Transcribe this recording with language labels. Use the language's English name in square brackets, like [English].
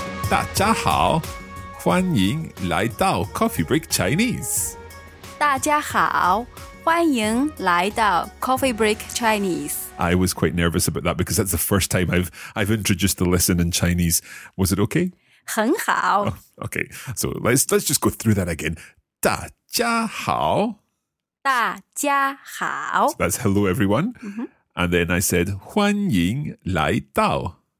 [Chinese] Dajahao. 欢迎来到 Coffee Break Chinese. 大家好，欢迎来到 Coffee Break Chinese. [English] I was quite nervous about that because that's the first time I've introduced the lesson in Chinese. Was it okay? [Chinese] 很好。Oh, [English] okay, so let's just go through that again. [Chinese] 大家好。大家好。 [English] So that's hello everyone. Mm-hmm. And then I said [Chinese] 欢迎来到。